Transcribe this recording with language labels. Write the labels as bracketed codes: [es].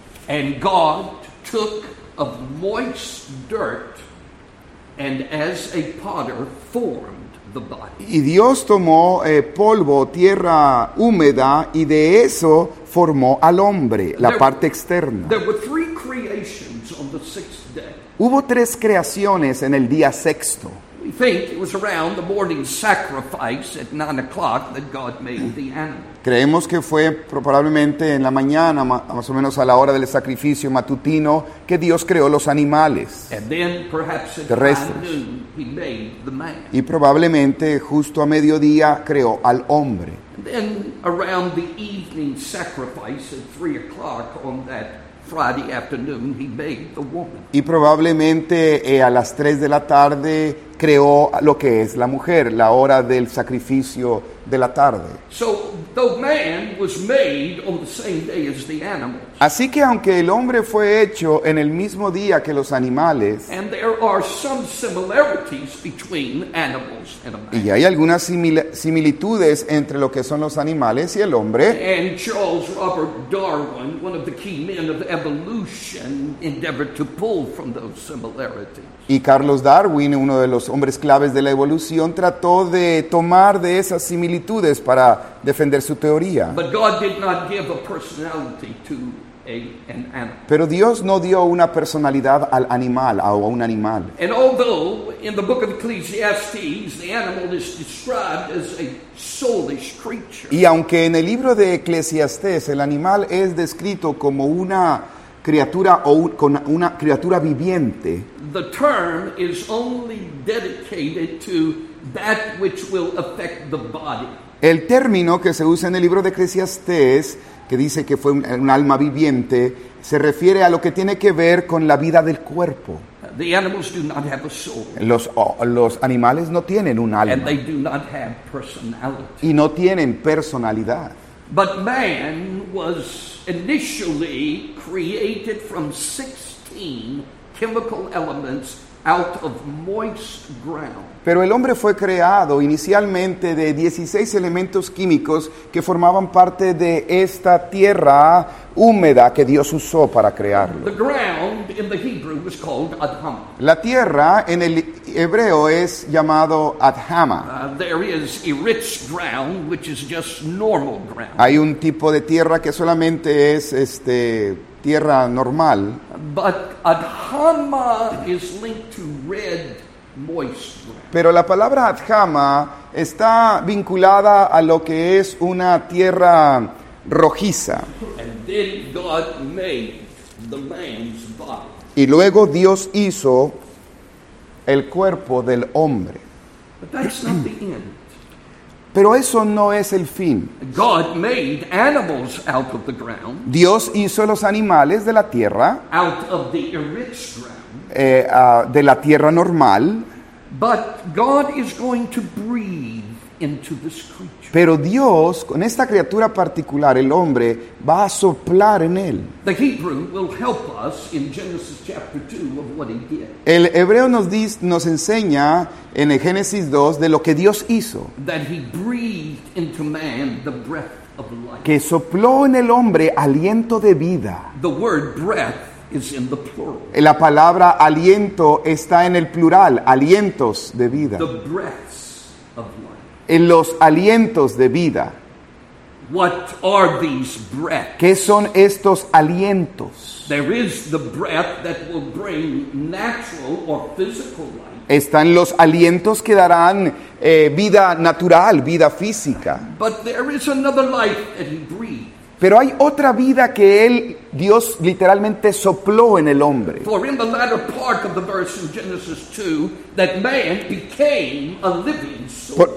[en] And God took of moist dirt, and as a potter formed the body. [es] Y Dios tomó polvo, tierra húmeda, y de eso formó al hombre, la parte externa. [en] There were three creations on the sixth day. [es] Hubo tres creaciones en el día sexto. [en] We think it was around the morning sacrifice at 9 o'clock that God made the animal. [es] Creemos que fue probablemente en la mañana, más o menos a la hora del sacrificio matutino, que Dios creó los animales terrestres. Y probablemente justo a mediodía creó al hombre. [en] Then around the evening sacrifice at 3 o'clock on that Friday afternoon, he made the woman. [es] Y probablemente a las 3 de la tarde creó lo que es la mujer, la hora del sacrificio de la tarde. [en] So, though man was made on the same day as the animals, [es] así que aunque el hombre fue hecho en el mismo día que los animales, [en] and there are some similarities between animals and a man, [es] y hay algunas similitudes entre lo que son los animales y el hombre, [en] and Charles Robert Darwin, one of the key men of evolution, endeavored to pull from those similarities. [es] Y Carlos Darwin, uno de los hombres claves de la evolución, trató de tomar de esas similitudes para defender su teoría. [en] But God did not give a personality to an animal. [es] Pero Dios no dio una personalidad al animal, a un animal. [en] And although in the book of Ecclesiastes the animal is described as a soulish creature. [es] Y aunque en el libro de Eclesiastés el animal es descrito como una criatura o con una criatura viviente, [en] the term is only dedicated to that which will affect the body. [es] El término que se usa en el libro de Eclesiastés, que dice que fue un alma viviente, se refiere a lo que tiene que ver con la vida del cuerpo. [en] The animals do not have a soul. [es] Los animales no tienen un alma. [en] And they do not have personality. [es] Y no tienen personalidad. [en] But man was initially created from 16 chemical elements out of moist ground. [es] Pero el hombre fue creado inicialmente de 16 elementos químicos que formaban parte de esta tierra húmeda que Dios usó para crearlo. [en] The ground in the Hebrew was called Adama. [es] La tierra en el hebreo es llamado Adama. [en] There is a rich ground which is just normal ground. [es] Hay un tipo de tierra que solamente es tierra normal. [en] But Adama is linked to red moist ground. [es] Pero la palabra Adama está vinculada a lo que es una tierra rojiza. [en] And then God made the man's body. [es] Y luego Dios hizo el cuerpo del hombre. [en] But that's not the end. [es] Pero eso no es el fin. [en] God made animals out of the ground. [es] Dios hizo los animales de la tierra. [en] Out of the rich ground. [es] De la tierra normal. [en] But God is going to breathe into this creature. [es] Pero Dios, con esta criatura particular, el hombre, va a soplar en él. [en] The Hebrew will help us in Genesis chapter 2 of what he did. [es] El hebreo nos enseña en el Génesis 2 de lo que Dios hizo. [en] That he breathed into man the breath of life. [es] Que sopló en el hombre aliento de vida. [en] The word breath is in the plural. [es] La palabra aliento está en el plural, alientos de vida. [en] The breaths of life. [es] En los alientos de vida. [en] What are these breaths? [es] ¿Qué son estos alientos? [en] There is the breath that will bring natural or physical life. [es] Están los alientos que darán vida natural, vida física. [en] But there is another life that he breathed. [es] Pero hay otra vida que él, Dios, literalmente sopló en el hombre. [en] For in the latter part of the verse in Genesis 2, that man became a living soul.